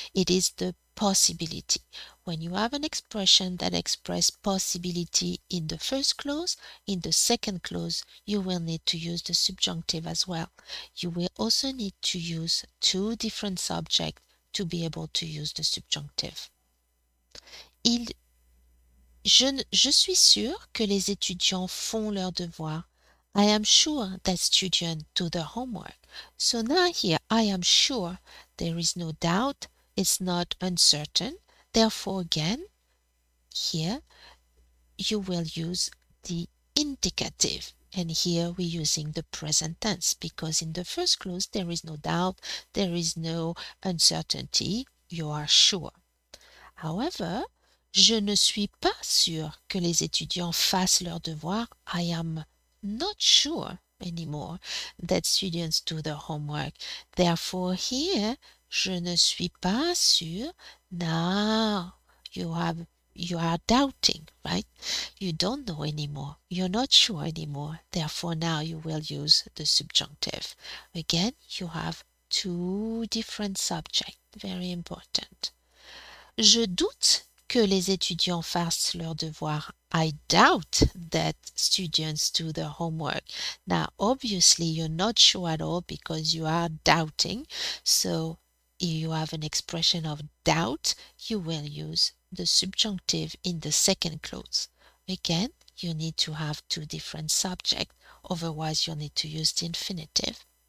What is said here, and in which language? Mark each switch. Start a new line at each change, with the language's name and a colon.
English: It is the possibility. When you have an expression that expresses possibility in the first clause, in the second clause, you will need to use the subjunctive as well. You will also need to use two different subjects to be able to use the subjunctive.
French: Je suis sûr que les étudiants font leurs devoirs.
English: I am sure that students do their homework. So now here, I am sure, there is no doubt, it's not uncertain. Therefore, again, here, you will use the indicative. And here, we're using the present tense because in the first clause, there is no doubt, there is no uncertainty, you are sure. However,
French: je ne suis pas sûr que les étudiants fassent leurs devoirs.
English: I am not sure anymore that students do their homework. Therefore, here,
French: je ne suis pas sûr.
English: Now, you are doubting, right? You don't know anymore. You're not sure anymore. Therefore, now you will use the subjunctive. Again, you have two different subjects. Very important.
French: Je doute que les étudiants fassent leurs devoirs.
English: I doubt that students do their homework. Now, obviously, you're not sure at all because you are doubting. So, if you have an expression of doubt, you will use the subjunctive in the second clause. Again, you need to have two different subjects. Otherwise, you'll need to use the infinitive.